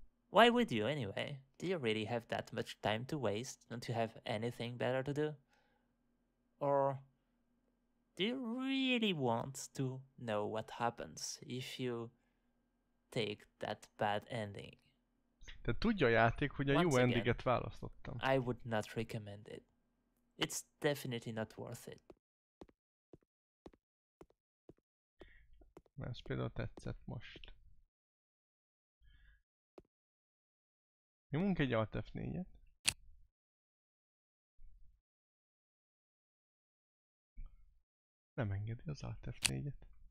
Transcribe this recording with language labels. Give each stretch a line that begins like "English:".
English: Why would you, anyway? Do you really have that much time to waste, not to have anything better to do? Or do you really want to know what happens if you take that bad ending?
Hungarian: De tudja a játék, hogy a jó endinget választottam.
English: I would not recommend it. It's definitely not worth it.
Hungarian: Ez például tetszett most. Nyomunk egy Alt-F4-et. Nem engedi az Alt-F4-et.